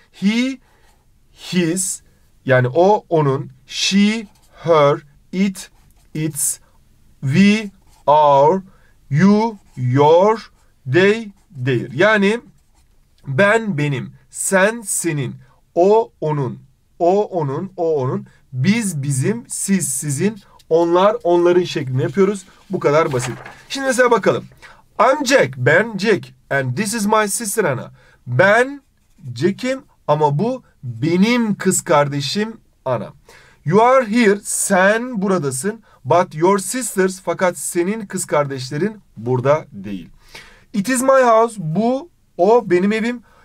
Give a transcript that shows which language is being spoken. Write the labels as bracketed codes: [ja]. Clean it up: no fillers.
[en] He, his, [tr] yani o, onun, [en] she, her, it, its, we, our, you, your, they, their. [tr] Yani ben, benim, sen, senin, o, onun, o, onun, o, onun, biz, bizim, siz, sizin, onlar, onların şeklinde yapıyoruz. Bu kadar basit. Şimdi mesela bakalım. [en] I'm Jack, [tr] ben Jack [en] and this is my sister Anna. [tr] Ben Jack'im ama bu benim kız kardeşim Anna. [en] You are here, [tr] sen buradasın. [en] But your sisters, [tr] fakat senin kız kardeşlerin burada değil. [en] It is my house, [tr] bu o benim evim.